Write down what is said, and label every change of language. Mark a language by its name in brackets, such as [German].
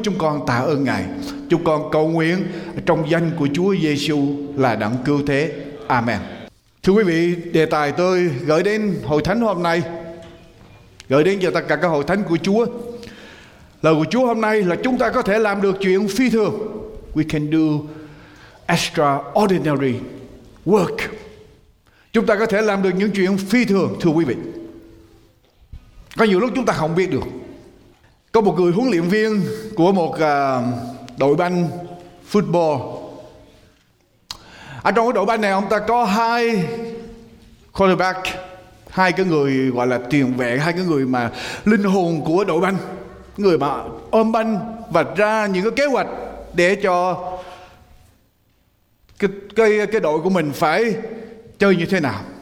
[Vietnamese] Chúng con tạ ơn Ngài. Chúng con cầu nguyện trong danh của Chúa Giêsu là đấng cứu thế. Amen. Thưa quý vị, đề tài tôi gửi đến hội thánh hôm nay, gửi đến cho tất cả các hội thánh của Chúa, lời của Chúa hôm nay là chúng ta có thể làm được chuyện phi thường. [English] We can do extraordinary work. [Vietnamese] Chúng ta có thể làm được những chuyện phi thường, thưa quý vị. Có nhiều lúc chúng ta không biết được. Có một người huấn luyện viên của một đội banh football. Ở trong cái đội banh này, ông ta có hai quarterback, hai cái người gọi là tiền vệ, hai cái người mà linh hồn của đội banh, người mà ôm banh và ra những cái kế hoạch để cho cái đội của mình phải chơi như thế nào.